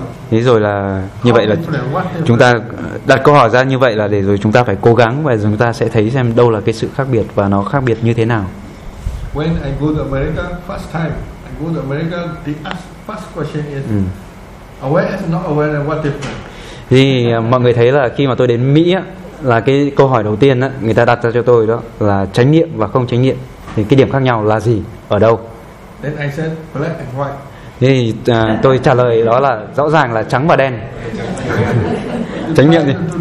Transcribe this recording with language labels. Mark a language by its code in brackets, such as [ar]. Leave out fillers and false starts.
[vi] Thế rồi là như vậy là chúng ta đặt câu hỏi ra như vậy là để rồi chúng ta phải cố gắng và chúng ta sẽ thấy xem đâu là cái sự khác biệt và nó khác biệt như thế nào. [en] When I go to America first time, I go to America, the first question is awareness, not awareness, what different? [vi] Thì mọi người thấy là khi mà tôi đến Mỹ á, là cái câu hỏi đầu tiên á, người ta đặt ra cho tôi đó là chánh niệm và không chánh niệm thì cái điểm khác nhau là gì, ở đâu? [en] Then I said black and white. [vi] Thì tôi trả lời đó là rõ ràng là trắng và đen. Chánh niệm gì?